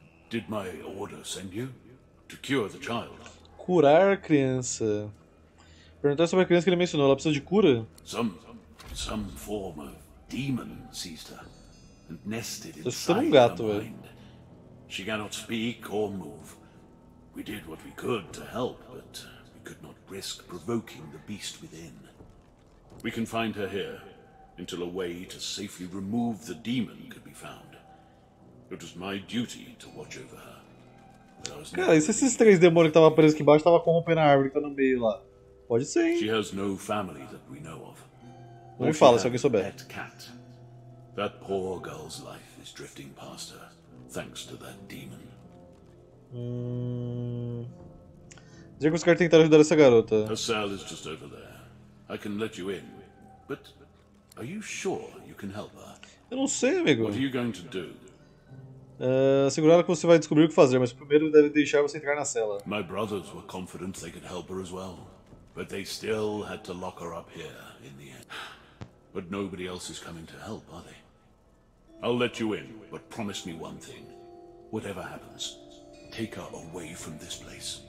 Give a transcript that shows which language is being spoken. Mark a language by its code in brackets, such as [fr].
[en] Did my order send you to cure the child? [pt] Curar a criança. Perguntar sobre a criança que ele mencionou, ela precisa de cura? [en] Some form of demon seized her and nested inside her mind. She cannot speak or move. We did what we could to help, but we could not risk provoking the beast within. We can find her here until a way to safely remove the demon could be found. It was my duty to watch over her. [pt] Cara, e se esses três demônios que estavam presos aqui embaixo estavam corrompendo a árvore que tá no meio lá? Pode ser, hein? [en] She has no family that we know of. [pt] Não me fala, se alguém souber. [en] That cat. That poor girl's life is drifting past her, thanks to that demon. [pt] Dizer que os caras tentaram ajudar essa garota. [en] Her cell is just over there. I can let you in. But are you sure you can help her? [pt] Eu não sei, amigo. [en] What are you going to do? [pt] Segurar que você vai descobrir o que fazer, mas primeiro deve deixar você entrar na cela. [en] My brothers were confident they could help her as well, but they still had to lock her up here in the end. But nobody else is coming to help, are they? I'll let you in, but promise me one thing. Whatever happens, take her away from this place.